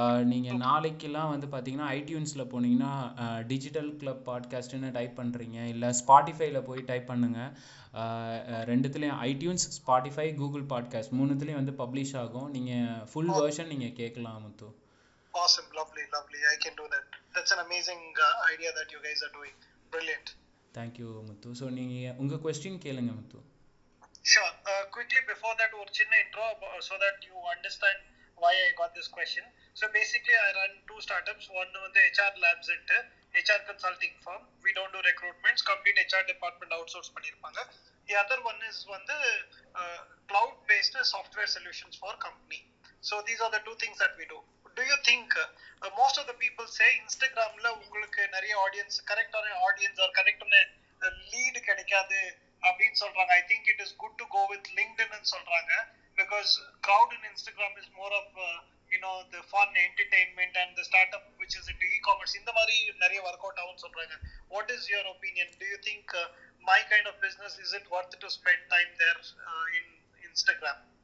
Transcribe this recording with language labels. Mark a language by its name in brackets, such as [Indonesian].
[Tamil] நீங்கள் நாளைக்கெல்லாம் வந்து பார்த்தீங்கன்னா ஐடியூன்ஸில் போனீங்கன்னா டிஜிட்டல் கிளப் பாட்காஸ்ட்டுன்னு டைப் பண்ணுறீங்க, இல்லை ஸ்பாட்டிஃபைல போய் டைப் பண்ணுங்கள். ரெண்டுத்துலேயும் ஐடியூன்ஸ் ஸ்பாட்டிஃபை கூகுள் பாட்காஸ்ட் மூணுத்துலேயும் வந்து பப்ளிஷ் ஆகும். நீங்கள் ஃபுல் வெர்ஷன் நீங்கள் கேட்கலாம் முத்து. [English] Awesome, lovely, lovely. I can do that. That's an amazing idea that you guys are doing. Brilliant. Thank you, Muthu. [Tamil] So நீங்கள் உங்கள் க்வெஸ்சன் கேளுங்க முத்து. [English] Sure. Quickly before that, [Tamil] ஒரு சின்ன intro [English] so that you understand why I got this question. So basically I run two startups. One is the HR Labs Center, HR consulting firm. We don't do recruitments, complete HR department outsource panirupanga. The other one is one the cloud based software solutions for company. So these are the two things that we do. Do you think most of the people say Instagram [Tamil] la ungalku nariya [English] audience correct or audience or correct lead [Tamil] kedaikadhu அப்படின்னு சொல்றாங்க. [English] I think it is good to go with LinkedIn சொல்றாங்க, because crowd in Instagram is more of you know the fun entertainment and the startup which is in e-commerce, [Tamil] இந்த மாதிரி நிறைய work out ஆகும் சொல்றாங்க. [English] What is your opinion, do you think my kind of business is it worth to spend time there in Instagram?